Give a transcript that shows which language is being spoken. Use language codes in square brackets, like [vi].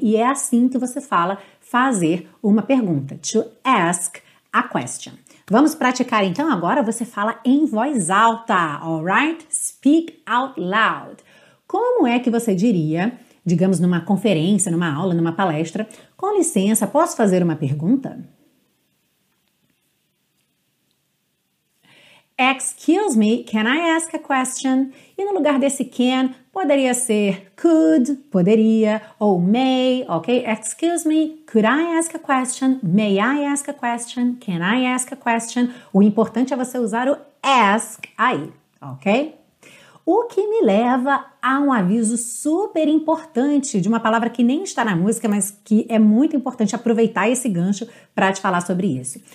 [pt] E é assim que você fala fazer uma pergunta, [en] to ask a question. [pt] Vamos praticar então? Agora você fala em voz alta, alright? [en] Speak out loud. [pt] Como é que você diria, digamos numa conferência, numa aula, numa palestra, com licença, posso fazer uma pergunta? [en] Excuse me, can I ask a question? [pt] E no lugar desse can, poderia ser could, poderia, ou may, ok? [en] Excuse me, could I ask a question? May I ask a question? Can I ask a question? [pt] O importante é você usar o ask aí, ok? O que me leva a um aviso super importante de uma palavra que nem está na música, mas que é muito importante aproveitar esse gancho para te falar sobre isso.